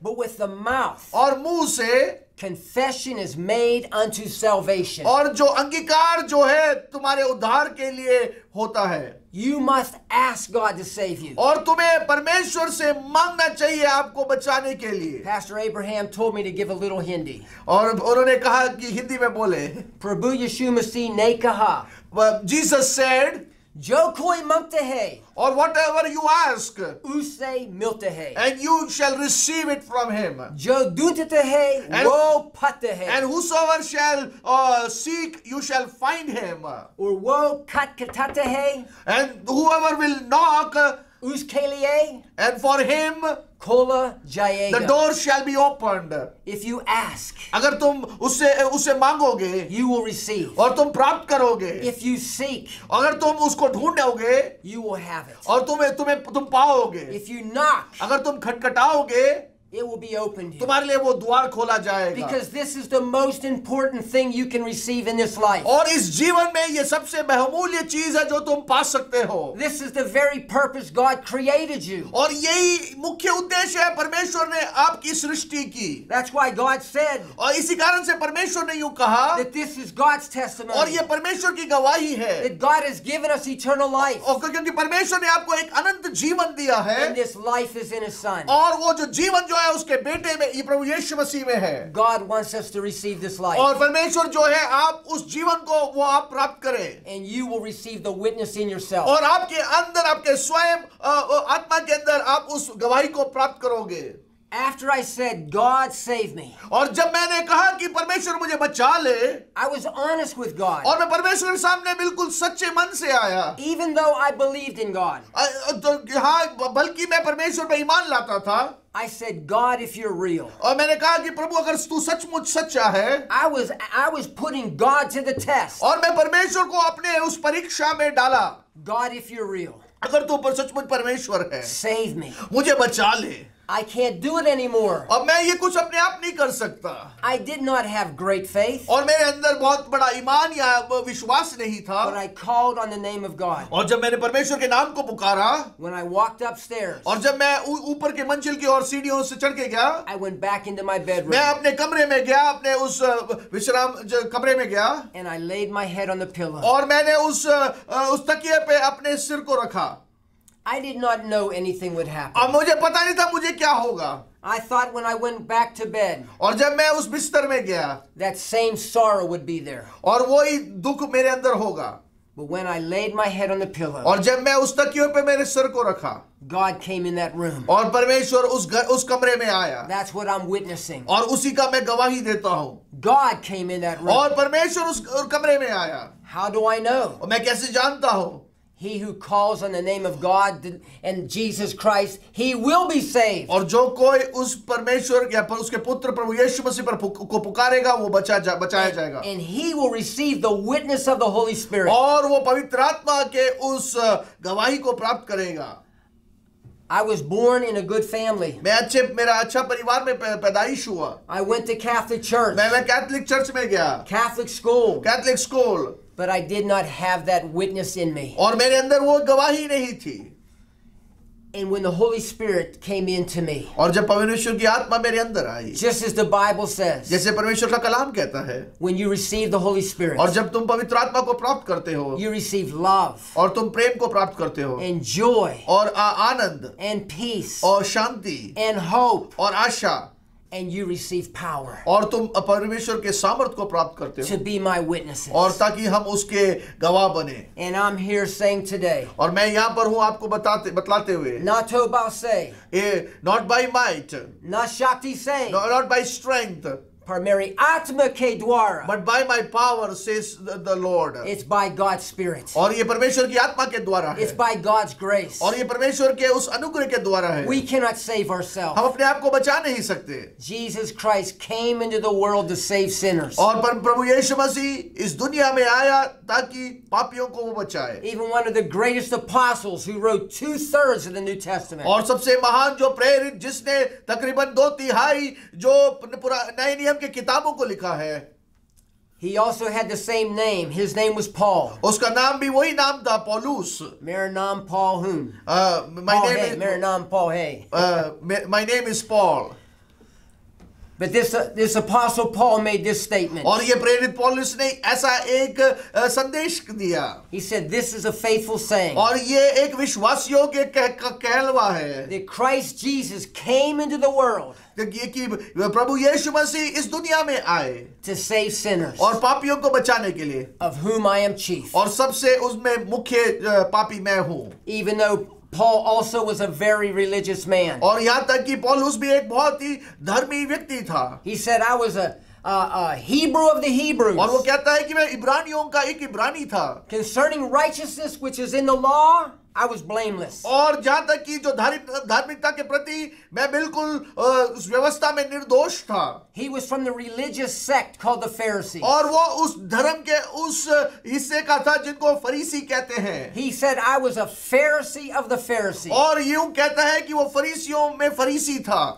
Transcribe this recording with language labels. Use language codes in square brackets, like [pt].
[en] But with the mouth. [hi] और मुंह से. [en] Confession is made unto salvation. [hi] और जो अंगीकार जो है तुम्हारे उद्धार के लिए होता है. [en] You must ask God to save you. [hi] और तुम्हें परमेश्वर से मांगना चाहिए आपको बचाने के लिए. [en] Pastor Abraham told me to give a little Hindi. [hi] और उन्होंने कहा कि हिंदी में बोले. प्रभु यीशु मसीह ने कहा. [en] Jesus said. [hi] जो कोई मांगते है. [en] Or whatever you ask. [hi] उसे मिलते है. [en] And you shall receive it from him. [hi] जो ढूंढते है वो पाते है. [en] And whosoever shall seek, you shall find him. [hi] और वो खटखटाते है. [en] And whoever will knock. [hi] उसके लिए. [en] And for him. [hi] खोला जाएगा. [en] The door shall be opened. If you ask. [hi] अगर तुम उसे मांगोगे. [en] You will receive. [hi] और तुम प्राप्त करोगे. [en] If you seek. [hi] अगर तुम उसको ढूंढोगे. [en] You will have it. [hi] और तुम पाओगे. [en] If you knock. [hi] अगर तुम खटखटाओगे. [en] It will be opened. [hi] तुम्हारे लिए वो द्वार खोला जाएगा. [en] Because this is the most important thing you can receive in this life. [hi] और इस जीवन में ये सबसे बहुमूल्य चीज है जो तुम पा सकते हो. [en] This is the very purpose God created you. [hi] और यही मुख्य उद्देश्य है परमेश्वर ने आपकी सृष्टि की. [en] That's why God said. [hi] और इसी कारण से परमेश्वर ने यूं कहा. [en] That this is God's testimony. [hi] और ये परमेश्वर की गवाही है. [en] That God has given us eternal life. [hi] और क्योंकि परमेश्वर ने आपको एक अनंत जीवन दिया है. [en] And this life is in His Son. [hi] और वो जो जीवन जो उसके बेटे में ये प्रभु यीशु मसीह में है. [en] God wants us to receive this life. [hi] और परमेश्वर जो है आप उस जीवन को वो आप प्राप्त करें. [en] And you will receive the witness in yourself. [hi] और आपके अंदर आपके स्वयं आत्मा के अंदर आप उस गवाही को प्राप्त करोगे. [en] After I said, God save me. [hi] और जब मैंने कहा कि परमेश्वर मुझे बचा ले, [en] I was honest with God. [hi] और मैं परमेश्वर के सामने बिल्कुल सच्चे मन से आया. [en] Even though I believed in God. [hi] हाँ, बल्कि मैं परमेश्वर पे ईमान लाता था. [en] I said, God, if you're real. [hi] और मैंने कहा कि प्रभु अगर तू सचमुच सच्चा है. [en] I was putting God to the test. [hi] और मैं परमेश्वर को अपने उस परीक्षा में डाला. [en] God, if you're real. [hi] अगर तू पर सचमुच परमेश्वर है. [en] Save me. [hi] मुझे बचा ले. [en] I can't do it anymore. [hi] अब मैं ये कुछ अपने आप नहीं कर सकता. [en] I did not have great faith. [hi] और मेरे अंदर बहुत बड़ा ईमान या विश्वास नहीं था. [en] But I called on the name of God. [hi] और जब मैंने परमेश्वर के नाम को पुकारा. [en] When I walked upstairs. [hi] और जब मैं ऊपर के मंजिल की ओर सीढ़ियों से चढ़ के गया. [en] I went back into my bedroom. [hi] मैं अपने कमरे में गया, अपने उस विश्राम कमरे में गया. [en] And I laid my head on the pillow. [hi] और मैंने उस तकिए पे अपने सिर को रखा. [en] I did not know anything would happen. [hi] और मुझे पता नहीं था मुझे क्या होगा. [en] I thought when I went back to bed. [hi] और जब मैं उस बिस्तर में गया. [en] That same sorrow would be there. [hi] और वही दुख मेरे अंदर होगा. [en] But when I laid my head on the pillow. [hi] और जब मैं उस तकिए पे मेरे सर को रखा. [en] God came in that room. [hi] और परमेश्वर उस कमरे में आया. [en] That's what I'm witnessing. [hi] और उसी का मैं गवाही देता हूँ. [en] God came in that room. [hi] और परमेश्वर उस कमरे में आया. [en] How do I know? [hi] और मैं कैसे जानता हूँ? [en] He who calls on the name of God and Jesus Christ, he will be saved. [hi] और जो कोई उस परमेश्वर या उसके पुत्र प्रभु यीशु मसीह पर को पुकारेगा वो बचाया जाएगा. [en] And he will receive the witness of the Holy Spirit. [hi] और वो पवित्र आत्मा के उस गवाही को प्राप्त करेगा. [en] I was born in a good family. [hi] मेरा अच्छा परिवार में पैदाइश हुआ. [en] I went to Catholic church. [hi] मैं कैथोलिक चर्च में गया. [en] Catholic school. But I did not have that witness in me. [hi] और मेरे अंदर वो गवाही नहीं थी. [en] And when the Holy Spirit came into me. [hi] और जब परमेश्वर की आत्मा मेरे अंदर आई. [en] Just as the Bible says. [hi] जैसे परमेश्वर का कलाम कहता है. [en] When you receive the Holy Spirit. [hi] और जब तुम पवित्र आत्मा को प्राप्त करते हो. [en] You receive love. [hi] और तुम प्रेम को प्राप्त करते हो. [en] And joy. [hi] और आनंद. [en] And peace. [hi] और शांति. [en] And hope. [hi] और आशा. [en] And you receive power. [hi] और तुम परमेश्वर के सामर्थ को प्राप्त करते हो. [en] To be my witnesses. [hi] और ताकि हम उसके गवाह बने. [en] And I'm here saying today. [hi] और मैं यहाँ पर हूँ आपको बतलाते हुए. Not by say. [en] Not by might. [hi] Not shakti say. [en] Not by strength. [hi] Par meri atma ke dwara. [en] But by my power, says the Lord. It's by God's spirit. [hi] और ये परमेश्वर की आत्मा के द्वारा है. [en] It's by God's grace. [hi] और ये परमेश्वर के उस अनुग्रह के द्वारा है. [en] We cannot save ourselves. [hi] हम अपने आप को बचा नहीं सकते. [en] Jesus Christ came into the world to save sinners. [hi] और प्रभु यीशु मसीह इस दुनिया में आया ताकि पापियों को वो बचाए. [en] Even one of the greatest apostles who wrote 2/3 of the New Testament. [hi] और सबसे महान जो प्रेरित जिसने तकरीबन 2/3 जो पूरा नई के किताबों को लिखा है. [en] He also had the same name. His name was Paul. [hi] उसका नाम भी वही नाम था, पौलुस. मेरा नाम पॉल हूँ. मेरा नाम पॉल है. [en] My name is Paul. But this apostle Paul made this statement. [hi] और ये प्रेरित पौलुस ने ऐसा एक संदेश दिया. [en] He said, "This is a faithful saying." [hi] और ये एक विश्वासियों के कहलवा है. [en] That Christ Jesus came into the world. [hi] कि प्रभु यीशु मसीह इस दुनिया में आए. [en] To save sinners. [hi] और पापियों को बचाने के लिए. [en] Of whom I am chief. [hi] और सबसे उसमें मुख्य पापी मैं हूँ. [en] Even though Paul also was a very religious man. [hi] और यहाँ तक कि पौलुस भी एक बहुत ही धर्मी व्यक्ति था. [en] He said I was a Hebrew of the Hebrews. [hi] और वो कहता है कि मैं इब्रानियों का एक इब्रानी था. [en] Concerning righteousness which is in the law, I was blameless. [hi] और जहाँ तक कि जो धार्मिकता के प्रति मैं बिल्कुल उस व्यवस्था में निर्दोष था. [en] He was from the religious sect called the Pharisees. [hi] और वो उस धर्म के उस हिस्से का था जिनको फरीसी कहते हैं. [en] He said I was a Pharisee of the Pharisees. [hi] और यूं कहता है कि वो फरीसियों में फरीसी था.